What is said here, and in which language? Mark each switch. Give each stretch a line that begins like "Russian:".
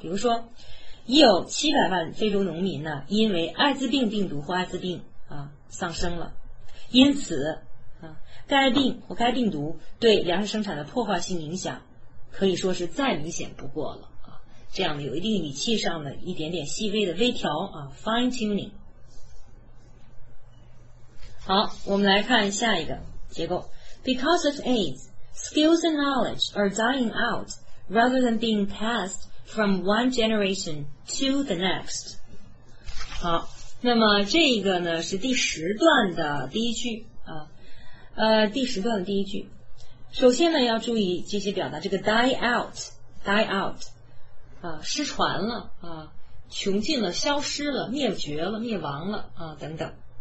Chinese: 比如说，已有700万非洲农民呢，因为艾滋病病毒或艾滋病啊丧生了，因此啊，该病或该病毒对粮食生产的破坏性影响可以说是再明显不过了啊。这样的有一定语气上的一点点细微的微调啊 ，fine tuning。好，我们来看下一个结构。
English: Because of AIDS, skills and knowledge are dying out rather than being passed from one generation to the next.
Chinese: 好，那么这个呢是第十段的第一句啊，第十段的第一句。首先呢要注意这些表达，这个 die out 啊，失传了啊，穷尽了，消失了，灭绝了，灭亡了啊，等等。